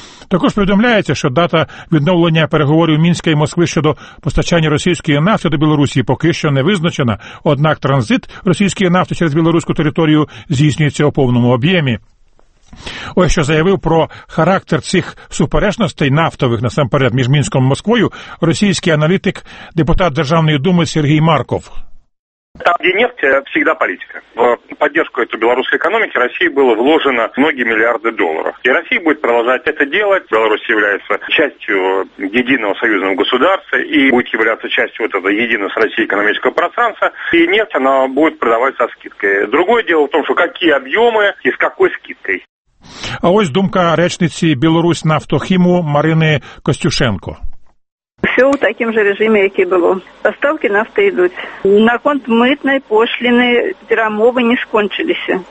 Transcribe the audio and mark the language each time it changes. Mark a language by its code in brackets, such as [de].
[uk] Також повідомляється, що дата відновлення переговорів Мінська і Москви щодо постачання російської нафти до Білорусі поки що не визначена. Однак транзит російської нафти через білоруську територію здійснюється у повному об'ємі. Ось що заявив про характер цих суперечностей нафтових, насамперед, між Мінськом і Москвою, російський аналітик, депутат Державної Думи Сергій Марков. [ru] Там, где нефть, всегда политика. В поддержку этой белорусской экономики России было вложено многие миллиарды долларов. И Россия будет продолжать это делать. Беларусь является частью единого союзного государства и будет являться частью вот этого единого с Россией экономического пространства. И нефть, она будет продавать со скидкой. Другое дело в том, что какие объемы и с какой скидкой. [uk] А ось думка речниці Білорусь нафтохіму Марини Костюшенко. Все у таким же режимі, як і було. Поставки нафти йдуть. На конт митної пошліни перемови не скінчилися.